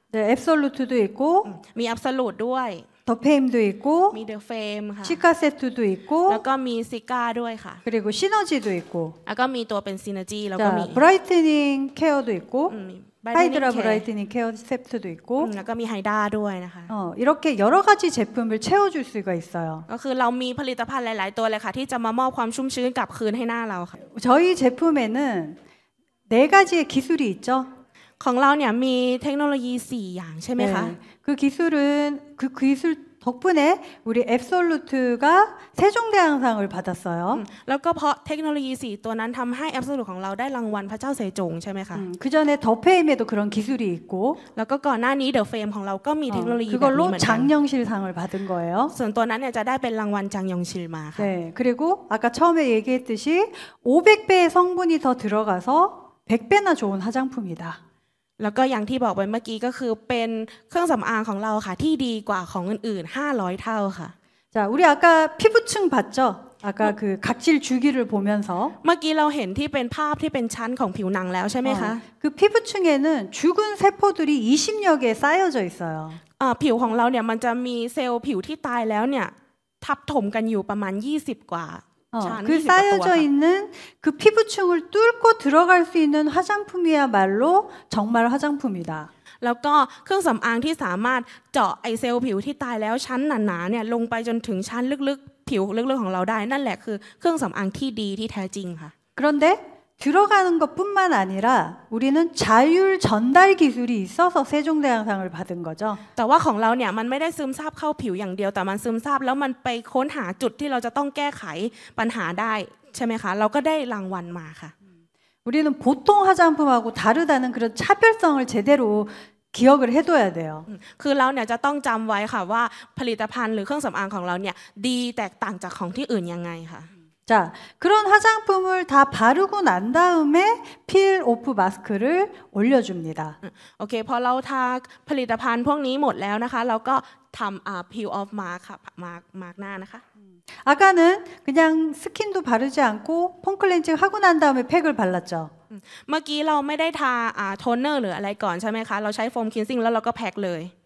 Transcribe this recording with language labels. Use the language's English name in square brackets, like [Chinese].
[Korean] 네앱솔루트도있고 [Thai] มีอัพสโลดด้วย [Korean] 더페임도있고 미더페임 ค่ะ시카세트도있고 [Thai] แล้วก็มีซิก้าด้วยค่ะ [Korean] 그리고시너지도있고 [Thai] แล้วก็มีตัวเป็นซินเนอร์จีแล้วก็มี บรายท์นิ่งเคียร์ [Korean] 도있고 [Thai] ไฮไดร่าบรายท์นิ่งเคียร์เซ็ตด้วย ก็แล้วก็มีไฮด้าด้วยนะคะ [Korean] 이렇게여러가지제품을채워줄수가있어요 [Thai] ก็คือเรามีผลิตภัณฑ์หลายๆตัวเลยค่ะที่จะมามอบความชุ่มชื้นกลับคืนให้หน้าเราค่ะ [Korean] 저희제품에는네가지의기술이있죠 [Thai] ของเราเนี่ยมีเทคโนโลยี4อย่างใช่มั้ยคะ [Korean] 그기술은그기술덕분에우리앱솔루트가세종대왕상을받았어요 [Thai] แล้วก็เพราะเทคโนโลยี4ตัวนั้นทําให้แอปซูลูของเราได้รางวัลพระเจ้าเสจงใช่มั้ยคะ [Korean] คือ전에더페임에도그런기술이있고 [Thai] แล้วก็ก่อนหน้านี้เดอะเฟมของเราก็มีเทคโนโลยี แบบนี้เหมือนกันคือก็รุ่นจังยองชิล [Korean] 상을받은거예요 [Thai] ส่วนตัวนั้นเนี่ยจะได้เป็นรางวัลจังยองชิลมาค่ ะ [Korean] 네그리고아까처음에얘기했듯이500배의성분이더들어가서100배나좋은화장품이다 [Thai] แล้วก็อย่างที่บอกไปเมื่อกี้ก็คือเป็นเครื่องสําอางของเราค่ะที่ดีกว่าของอื่นๆ500เท่าค่ะ [Korean] จ้ะ우리아까피부층봤죠 아까그각질주기를보면서 [Thai] เมื่อกี้เราเห็นที่เป็นภาพที่เป็นชั้นของผิวหนังแล้วใช่ไหมคะ [Korean] 그피부층에는죽은세포들이20여개쌓여져있어요 [Thai] ผิวของเราเนี่ยมันจะมีเซลล์ผิวที่ตายแล้วเนี่ยทับถมกันอยู่ประมาณ20กว่า [Korean] คือ쌓여져있는그피부층을뚫고들어갈수있는화장품이야말로정말화장품이다 [Thai] แล้วก็เครื่องสำอางที่สามารถเจาะไอเซลล์ผิวที่ตายแล้วชั้นหนาๆเนี่ยลงไปจนถึงชั้นลึกๆผิวลึกๆของเราได้นั่นแหละคือเครื่องสำอางที่ดีที่แท้จริงค่ะ [Korean] 그런데들어가는것뿐만아니라우리는자율전달기술이있어서세종대왕상을받은거죠 [Thai] แต่ว่าของเราเนี่ยมันไม่ได้ซึมซาบเข้าผิวอย่างเดียวแต่มันซึมซาบแล้วมันไปค้นหาจุดที่เราจะต้องแก้ไขปัญหาได้ใช่ไหมคะเราก็ได้รางวัลมาค่ะ [Korean] 우리는보통화장품하고다르다는그런차별성을제대로기억을해둬야돼요 그러면 [Thai] จะต้องจําไว้ค่ะว่าผลิตภัณฑ์หรือเครื่องสําอางของเราเนี่ยดีแตกต่างจากของที่อื่นยังไงค่ะ [Korean] 자그런화장품을다바르고난다음에필오프마스크를올려줍니다 [Thai] โอเคพอเราทาผลิตภัณฑ์พวกนี้หมดแล้วนะคะเราก็ทําpeel off mask mask หน้านะคะ [Korean] 아까는그냥스킨도바르지않고폼클렌징하고난다음에팩을발랐죠 [Thai] เมื่อกี้เราไม่ได้ทาโทนเนอร์หรืออะไรก่อนใช่ไหมคะเราใช้โฟมคลีนซิ่งแล้วเราก็แพ็คเลย